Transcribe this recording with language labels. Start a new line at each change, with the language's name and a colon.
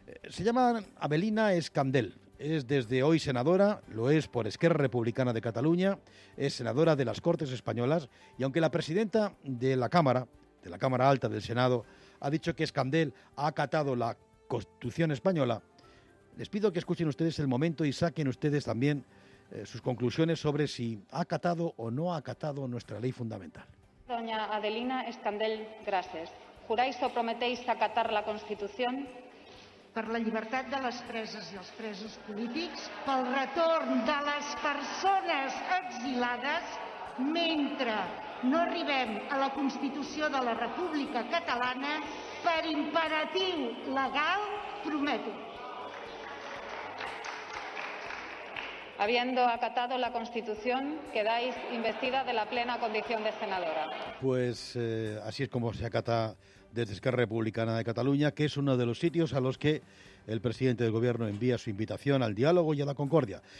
Spanish: Se llama Abelina Escandel. Es desde hoy senadora, lo es por Esquerra Republicana de Cataluña, es senadora de las Cortes Españolas, y aunque la presidenta de la Cámara Alta del Senado, ha dicho que Escandel ha acatado la Constitución Española, les pido que escuchen ustedes el momento y saquen ustedes también sus conclusiones sobre si ha acatado o no ha acatado nuestra ley fundamental. Doña Adelina Escandel Grases, ¿juráis o prometéis acatar la Constitución?
Catalan: Per la llibertat de les preses i els presos polítics, pel retorn de les persones exilades, mentre no arribem a la Constitució de la República Catalana, per imperatiu legal, prometo.
Spanish: Habiendo acatado la Constitución, quedáis investida de la plena condición de senadora. Pues así es como se acata desde Esquerra Republicana de Cataluña, que es uno de los sitios a los que el presidente del gobierno envía su invitación al diálogo y a la concordia.